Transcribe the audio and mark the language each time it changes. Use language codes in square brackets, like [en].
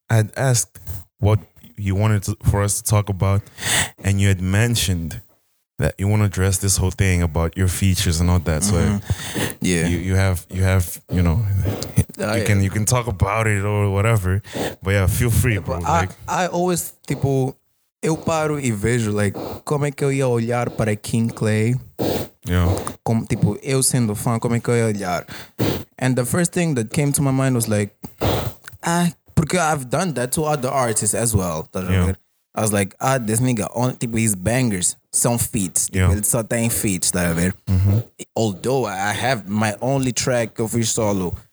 [en] I had asked what you wanted for us to talk about, and you had mentioned that you want to address this whole thing about your features and all that. Mm-hmm. So you can talk about it or whatever, but yeah, feel free. Yeah, bro. [pt] Eu paro e vejo, like, como é que eu ia olhar para King Clay. [en] Yeah. [pt] Como, tipo, eu sendo fã, como é que eu ia olhar? [en] And the first thing that came to my mind was like, [pt] porque [en] I've done that to other artists as well. [pt] Tá [en] yeah. I was like, this nigga, only, [pt] tipo, [en] his bangers [pt] são [en] feats. Yeah. [pt] Ele só tem feats, tá a ver? [en] Mm-hmm. Although I have my only track of his solo.